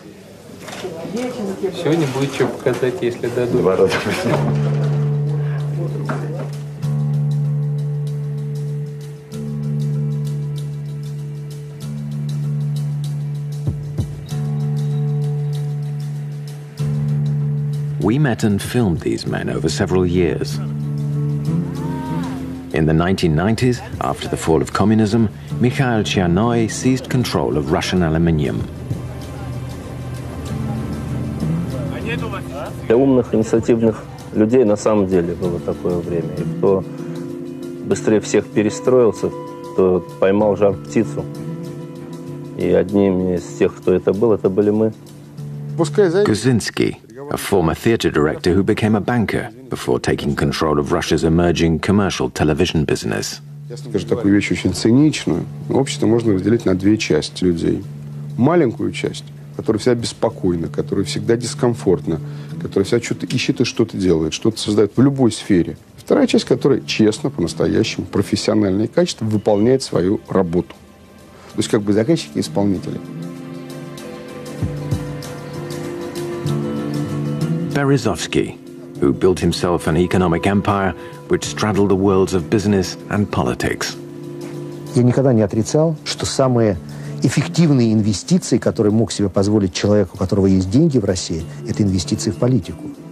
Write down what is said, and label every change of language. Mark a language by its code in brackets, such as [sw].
[en] We met and filmed these men over several years. In the 1990s, after the fall of communism, Mikhail Tsarnaev seized control of Russian aluminium. [ru] Для умных, инициативных людей на самом деле было такое время. И кто быстрее всех перестроился, то поймал жар птицу. И одним из тех, кто это были мы. [en] Kaczynski, a former theater director who became a banker before taking control of Russia's emerging commercial television business. [ru] Такую вещь очень циничную. Общество можно разделить на две части людей. Маленькую часть, которая вся беспокойна, которая всегда дискомфортна, которая вся что-то ищет и что-то делает, что-то создает в любой сфере. Вторая часть, которая честно, по-настоящему, профессионально и качественно выполняет свою работу. То есть как бы заказчики и исполнители. [en] Berezovsky, who built himself an economic empire which straddled the worlds of business and politics. [ru] Я никогда не отрицал, что самые эффективные инвестиции, которые мог себе позволить человек, у которого есть деньги в России, это инвестиции в политику.